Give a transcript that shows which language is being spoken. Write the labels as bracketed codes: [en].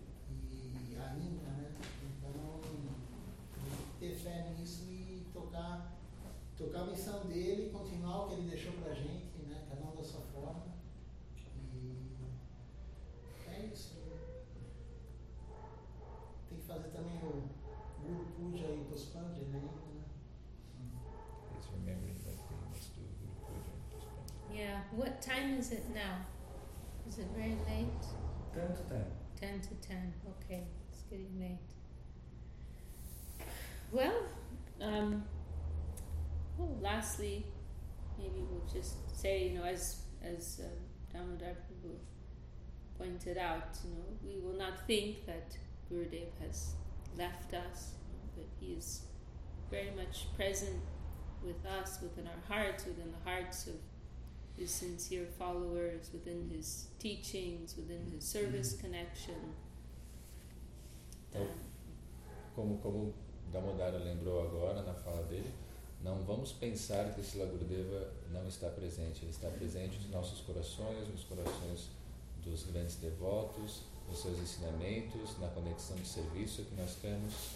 [pt] E ainda, né? Então, ter fé nisso e tocar a missão dele, continuar o que ele deixou pra gente, né? Cada um da sua forma. É isso. Tem que fazer também o Guru Puja e Pushpanjra ainda, né? [en] Is remembering that we must do Guru Puja and Pushpanjra. Yeah, what time is it now? Is it very late? 10 to 10. 10 to 10, okay, it's getting late. Well, lastly, maybe we'll just say, as Damodar Prabhu pointed out, we will not think that Gurudev has left us, but he is very much present with us, within our hearts, within the hearts of his sincere followers, within his teachings, within his service connection. [pt] Então, como Damodara lembrou agora na fala dele, não vamos pensar que Sila Gurudeva não está presente. Ele está presente nos nossos corações, nos corações dos grandes devotos, nos seus ensinamentos, na conexão de serviço que nós temos.